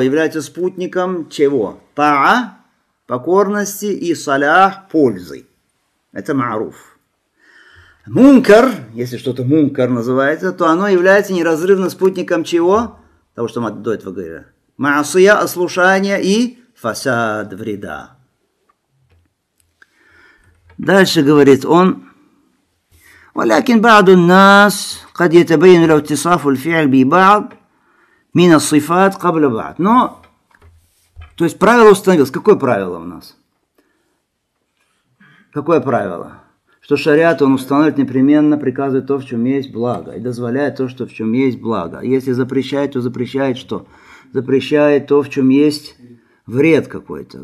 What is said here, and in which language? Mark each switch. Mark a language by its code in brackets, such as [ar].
[ru] Является спутником чего? Таа – покорности и салях – пользы. Это ма'руф. Мункар, если что-то мункар называется, то оно является неразрывно спутником чего? Того, что мы до этого говорили. Маасия – ослушание и фасад – вреда. Дальше говорит он. [ar] ولكن بعض الناس قد يتبين له اتصاف الفعل ببعض من الصفات قبل بعض. [ru] Но, то есть правило установилось. Какое правило у нас? Какое правило? Что шариат он устанавливает непременно, приказывает то, в чем есть благо, и дозволяет то, что в чем есть благо. Если запрещает, то запрещает что? Запрещает то, в чем есть вред какой-то.